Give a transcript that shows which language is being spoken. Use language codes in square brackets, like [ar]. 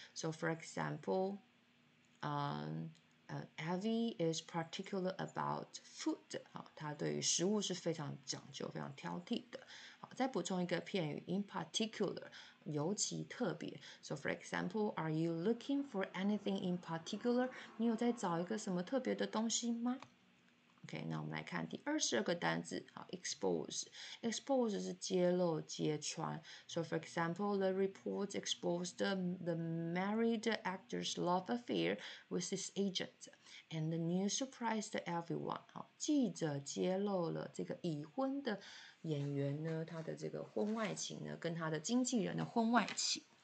[en] So for example, Evie is particular about food. [zh] 好，他对于食物是非常讲究，非常挑剔的。好，再补充一个片语 [en] in particular, [zh] 尤其特别。 [en] So for example, are you looking for anything in particular? [zh] 你有在找一个什么特别的东西吗？ OK， 那我们来看第22个单字，好 ，expose。 expose 是揭露、揭穿。 [en] So for example, the report exposed the married actor's love affair with his agent, and the news surprised everyone。 [zh] 好，记者揭露了这个已婚的演员呢，他的这个婚外情呢，跟他的经纪人的婚外情。